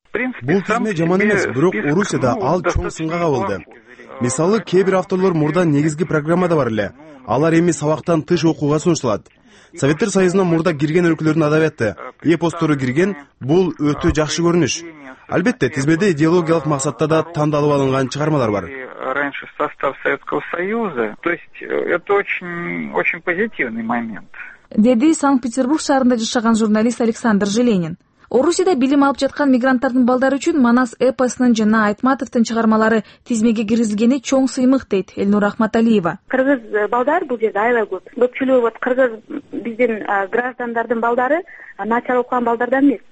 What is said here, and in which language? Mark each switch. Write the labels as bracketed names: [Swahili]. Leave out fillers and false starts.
[Kyrgyz] Бул тизме жаман эмес, бирок Орусияда ал чоң сынга кабылды. Мисалы, кээ бир авторлор мурда негизги программада бар эле. Алар эми сабактан тыш окууга сунушталат. Советтер Союзуна мурда кирген өлкөлөрдүн адабияты, эпостору кирген, бул өтө жакшы көрүнүш. Албетте, тизмеде идеологиялык максатта да тандалып алынган чыгармалар бар. [Russian] Раньше состав Советского Союза, то есть это очень позитивный момент. [Kyrgyz] Деди Санкт-Петербург шаарында жашаган журналист Александр Желенин. Орусияда билим алып жаткан мигранттардын балдары үчүн Манас эпосунун жана Айтматовдун чыгармалары тизмеге киргизилгени чоң сыймык дейт Элнура Ахматалиева. Кыргыз балдар бул жерде аябай көп. Көпчүлүгү вот кыргыз биздин граждандардын балдары начар окуган балдардан эмес.